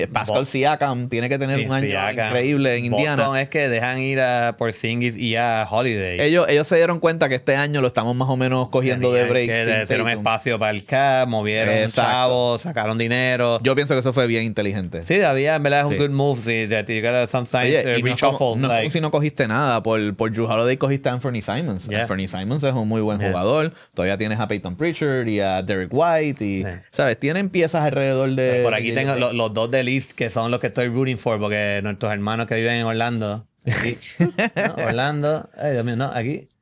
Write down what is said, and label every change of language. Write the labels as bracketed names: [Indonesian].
[Spanish] Pascal Siakam tiene que tener un año increíble en Indiana. Boston es que dejan ir a Porzingis y a Holiday. Ellos se dieron cuenta que este año lo estamos más o menos cogiendo de break. Que hicieron espacio para el cap, movieron chavos, sacaron dinero. Yo pienso que eso fue bien inteligente. Sí, había, en verdad es un [English] good move. Sí, that you gotta sometimes reshuffle. [Spanish] No, si no cogiste nada. Por Jrue Holiday cogiste a Anthony Simons. Yeah. Anthony Simons es un muy buen jugador. Todavía tienes a Peyton Pritchard y a Derek White. Y, ¿sabes? Tienen piezas alrededor de... Por aquí tengo los dos de list que son los que estoy [English] rooting for, [Spanish] porque nuestros hermanos que viven en Orlando. Aquí, Orlando. Ay, Dios mío, no, aquí.